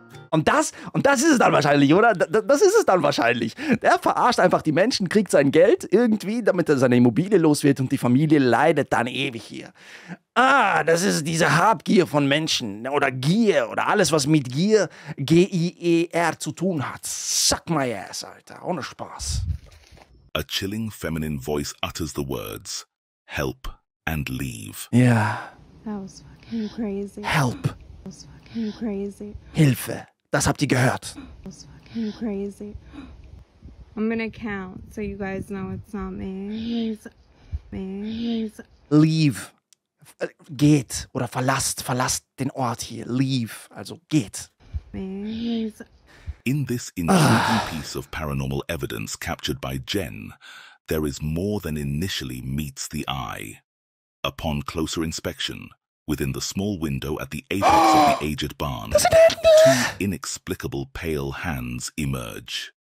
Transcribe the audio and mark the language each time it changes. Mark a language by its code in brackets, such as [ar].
[de] Und das ist es dann wahrscheinlich, oder? Das ist es dann wahrscheinlich. Der verarscht einfach die Menschen, kriegt sein Geld irgendwie, damit er seine Immobilie los wird und die Familie leidet dann ewig hier. Ah, das ist diese Habgier von Menschen oder Gier oder alles, was mit Gier, G-I-E-R, zu tun hat. [en] Suck my ass, [de] Alter. Ohne Spaß. [en] A chilling feminine voice utters the words, help and leave. Yeah. That was fucking crazy. Help. That was fucking crazy. [de] Hilfe. Das habt ihr gehört. [en] That's fucking crazy. I'm gonna count so you guys know it's not me. Please. Leave. [de] Geht oder verlasst den Ort hier. [en] Leave. [de] Also geht. [en] Please. In this intriguing piece of paranormal evidence captured by Jen, there is more than initially meets the eye. Upon closer inspection, within the small window at the apex of the aged barn, two inexplicable pale hands emerge.